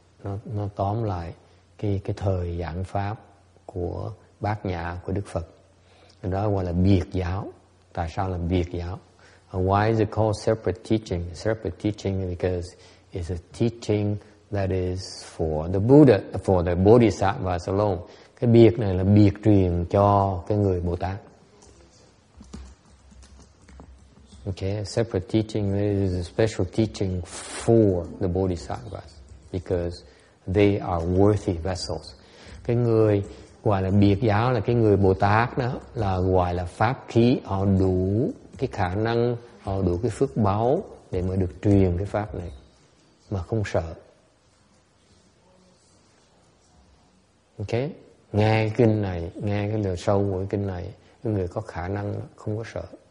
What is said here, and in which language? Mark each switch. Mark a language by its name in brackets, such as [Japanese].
[Vietnamese] Nó tóm lại cái thời giảng pháp của Bát Nhã của Đức Phật. Đó gọi là biệt giáo. Tại sao là biệt giáo? [English] Why is it called separate teaching? Separate teaching because it's a teaching That is for the Buddha, for the Bodhisattvas alone. [Vietnamese] Cái biệt này là biệt truyền cho cái người Bồ Tát. [English] Okay, a separate teaching. This is a special teaching for the Bodhisattvas because they are worthy vessels. [Vietnamese] Cái người gọi là biệt giáo là cái người Bồ Tát đó, là gọi là pháp khí, họ đủ cái khả năng, họ đủ cái phước báu để mà được truyền cái pháp này mà không sợ. Ok, nghe cái kinh này, nghe cái lời sâu của cái kinh này, cái người có khả năng không có sợ.